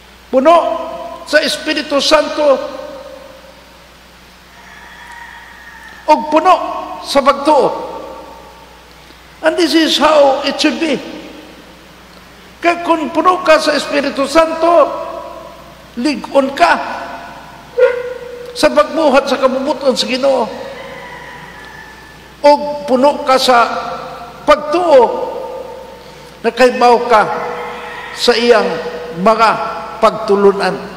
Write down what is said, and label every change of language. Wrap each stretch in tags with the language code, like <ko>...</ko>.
<ceb>Puno sa Espiritu Santo o puno sa pagtuo.</ceb> <en>And this is how it should be.</en> <ceb>Kaya kung puno ka sa Espiritu Santo, ligon ka sa pagbuhat sa kamubuton sa Ginoo. O puno ka sa pagtuo, nakaibaw ka sa iyang mga pagtulunan.</ceb>